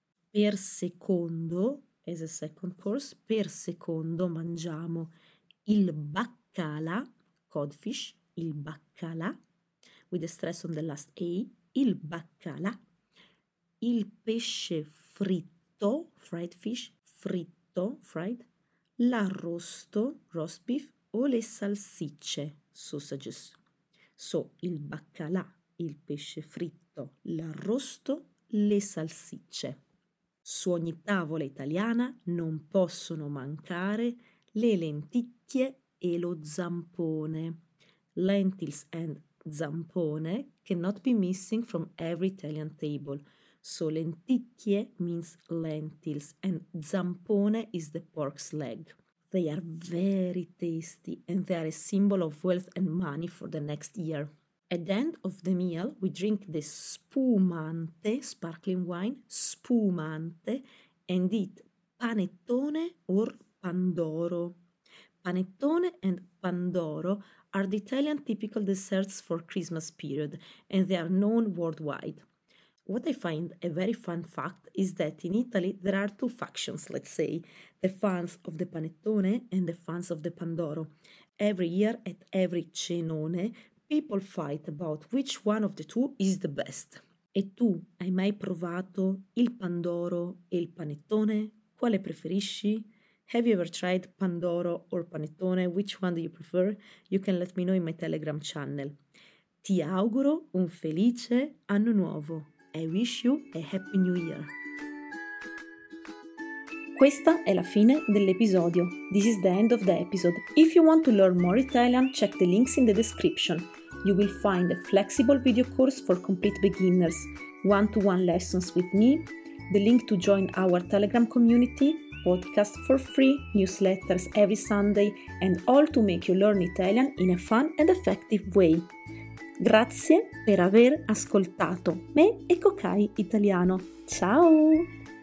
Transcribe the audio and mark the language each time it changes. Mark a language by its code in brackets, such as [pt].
[it] Per secondo, [en] as a second course, [it] per secondo mangiamo il baccalà, codfish, il baccalà, [en] with a stress on the last A, [it] il baccalà, il pesce fritto, [en] fried fish, [it] fritto, fried, l'arrosto, [en] roast beef, [it] o le salsicce, sausages. So, il baccalà, il pesce fritto, l'arrosto, le salsicce. Su ogni tavola italiana non possono mancare le lenticchie e lo zampone. [en] Lentils and zampone cannot be missing from every Italian table. So, lenticchie means lentils and zampone is the pork's leg. They are very tasty and they are a symbol of wealth and money for the next year. At the end of the meal, we drink the spumante, sparkling wine, spumante, and eat panettone or pandoro. Panettone and pandoro are the Italian typical desserts for Christmas period and they are known worldwide. What I find a very fun fact is that in Italy there are two factions, let's say, the fans of the panettone and the fans of the pandoro. Every year at every cenone, people fight about which one of the two is the best. [it] E tu, hai mai provato il pandoro e il panettone? Quale preferisci? [en] Have you ever tried pandoro or panettone? Which one do you prefer? You can let me know in my Telegram channel. [it] Ti auguro un felice anno nuovo. [en] I wish you a happy new year. [it] Questa è la fine dell'episodio. [en] This is the end of the episode. If you want to learn more Italian, check the links in the description. You will find a flexible video course for complete beginners, one-to-one lessons with me, the link to join our Telegram community, podcast for free, newsletters every Sunday, and all to make you learn Italian in a fun and effective way. [it] Grazie per aver ascoltato me e Cocai Italiano. Ciao!